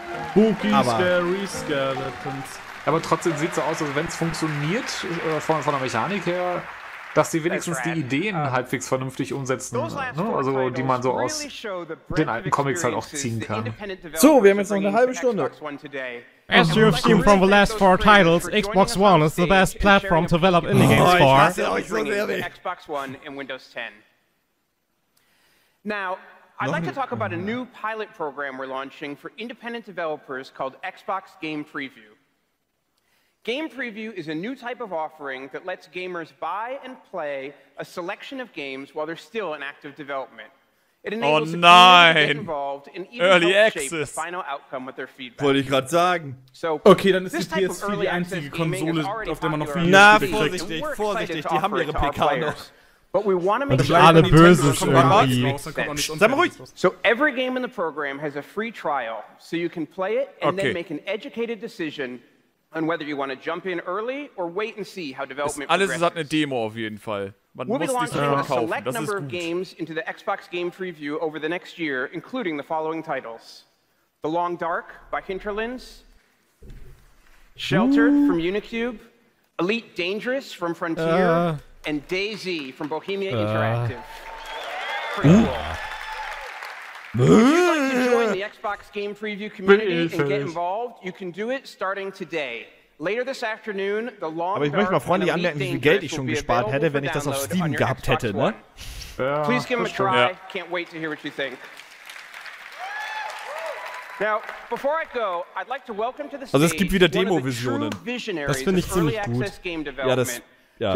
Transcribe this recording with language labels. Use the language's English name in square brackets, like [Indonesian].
[English] Spooky, scary skeletons. [German] Aber trotzdem sieht es so aus, als wenn es funktioniert, von der Mechanik her, dass sie wenigstens die Ideen halbwegs vernünftig umsetzen, ne? Also die man so aus den alten Comics halt auch ziehen kann. So, wir haben jetzt noch eine halbe Stunde. [English] As you have seen from the last four titles, Xbox One is the best platform to develop indie games for. [German] Oh, ich hasse euch so sehr, ey. Xbox One and Windows 10. [English] Now, I'd like to talk about a new pilot program we're launching for independent developers called Xbox Game Preview. Game Preview is a new type of offering that lets gamers buy and play a selection of games while they're still in active development. It enables the community to get involved and even early access. Shape the final outcome with their feedback. [German] Wollte ich gerade sagen. So, okay, dann ist die PS4 die einzige Konsole, auf der man noch viel kriegt. Na, vorsichtig, die haben ihre PK noch. [English] But we want to make sure that Nintendo's coming out makes sense. [German] Sei ruhig. [English] So every game in the program has a free trial, so you can play it and then make an educated decision on whether you want to jump in early or wait and see how development progresses. [German] Alles hat eine Demo auf jeden Fall. Man muss die Sachen kaufen. Das ist gut. [English] We'll be launching a select number of games into the Xbox Game Preview over the next year, including the following titles: The Long Dark by Hinterlands, Sheltered from Unicube, Elite Dangerous from Frontier, and DayZ from Bohemia Interactive. If you'd like to join the Xbox Game Preview community and get involved, you can do it starting today. Later this afternoon, the long [German] aber ich möchte mal freundlich anmerken, wie viel Geld ich schon gespart hätte, wenn ich das auf Steam gehabt hätte, ne? [English] Please give them a try. Can't wait to hear what you think. Now, before I go, I'd like to welcome to the stage [German] also es gibt wieder Demo-Visionen. Das finde ich ziemlich gut. Ja, das... Ja.